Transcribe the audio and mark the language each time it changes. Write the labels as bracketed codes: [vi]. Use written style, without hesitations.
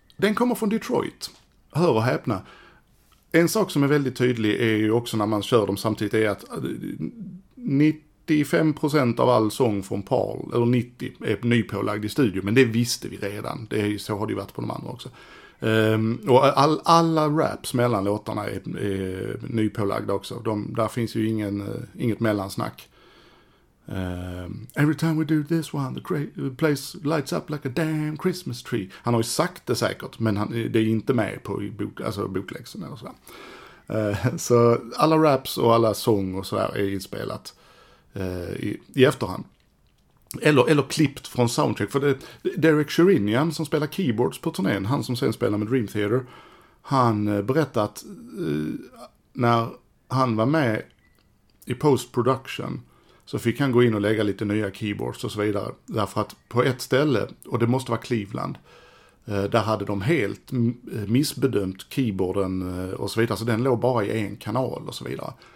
[sv] Den kommer från Detroit. Hör och häpna. En sak som är väldigt tydlig är ju också när man kör dem samtidigt är att 95% av all sång från Paul, eller 90%, är nypålagd i studio. Men det visste vi redan. Det är, så har det ju varit på de andra också. Och alla raps mellan låtarna är nypålagda också. Där finns ju inget mellansnack. [en] Every time we do this one, the place lights up like a damn Christmas tree. [sv] Han har ju sagt det säkert, men det är inte med på bokläxen eller sådär. Så alla raps och alla sång och sådär är inspelat. I efterhand eller klippt från soundtrack, för det Derek Sherinian som spelar keyboards på turnén, han som sen spelar med Dream Theater, han berättade att när han var med i post-production så fick han gå in och lägga lite nya keyboards och så vidare, därför att på ett ställe, och det måste vara Cleveland, där hade de helt missbedömt keyboarden och så vidare, så den låg bara i en kanal och så vidare.